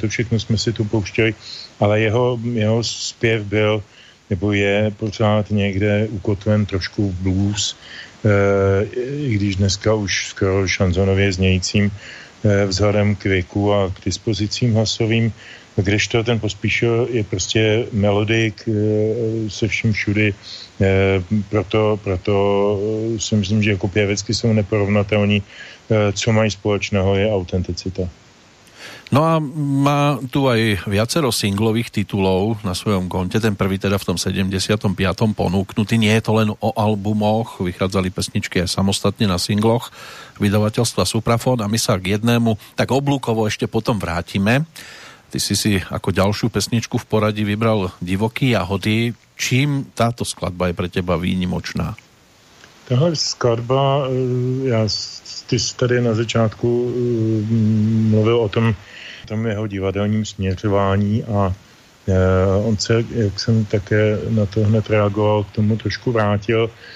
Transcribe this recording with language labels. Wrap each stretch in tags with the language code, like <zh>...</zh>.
<cs>To všechno jsme si tu pouštěli, ale jeho zpěv byl, nebo je pořád někde ukotven trošku v blues, i když dneska už skoro šanzonově znějícím vzhledem k věku a k dispozicím hlasovým. Kdežto ten Pospíšil je prostě melodik se vším všudy, proto si myslím, že jako pěvecky jsou neporovnatelní, co mají společného je autenticita.</cs> <sk>No a má tu aj viacero singlových titulov na svojom konte, ten prvý teda v tom 75. ponúknutý, nie je to len o albumoch, vychádzali pesničky aj samostatne na singloch vydavateľstva Suprafon a my sa k jednému tak oblúkovo ešte potom vrátime. Ty si si ako ďalšiu pesničku v poradí vybral Divoký jahody. Čím táto skladba je pre teba výnimočná?</sk> <cs>Tahle skladba, ty jsi tady na začátku mluvil o tom jeho divadelním směřování a on se, jak jsem také na to hned reagoval, k tomu trošku vrátil.</cs>